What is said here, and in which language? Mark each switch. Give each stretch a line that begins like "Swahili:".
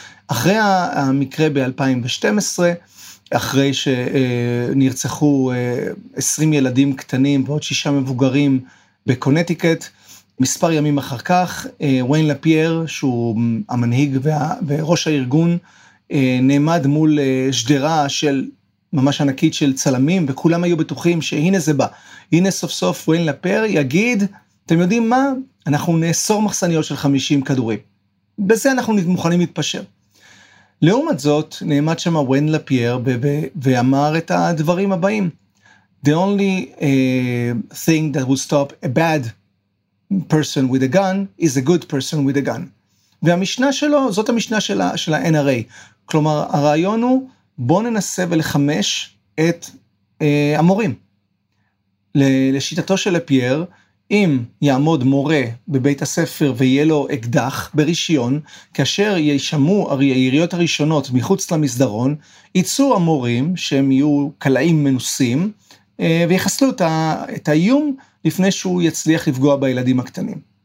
Hebrew: אחרי המקרה ב-2012, אחרי שנרצחו 20 ילדים קטנים ועוד 6 מבוגרים בקונטיקט, מספר ימים אחר כך, ויין לפייר, שהוא המנהיג וראש הארגון, נעמד מול שדרה של ממש ענקית של צלמים, וכולם היו בטוחים שהנה זה בא. הנה סוף סוף ויין לפייר יגיד, אתם יודעים מה? אנחנו נאסור מחסניות של 50 כדורים. בזה אנחנו מוכנים להתפשר. לעומת זאת, נעמד שם ויין לפייר ואמר את הדברים הבאים.
English: The only thing that would stop a bad person with a gun is a good person with a gun.
Hebrew: והמשנה שלו, זאת המשנה של ה-NRA. כלומר, הרעיון הוא, בוא ננסה ולחמש את המורים. לשיטתו של לפייר, אם יעמוד מורה בבית הספר ויהיה לו אקדח ברישיון, כאשר ישמעו היריות הראשונות מחוץ למסדרון, ייצאו המורים שהם יהיו קלעים מנוסים, ויחסלו את האיום לפני שהוא יצליח לפגוע בילדים הקטנים.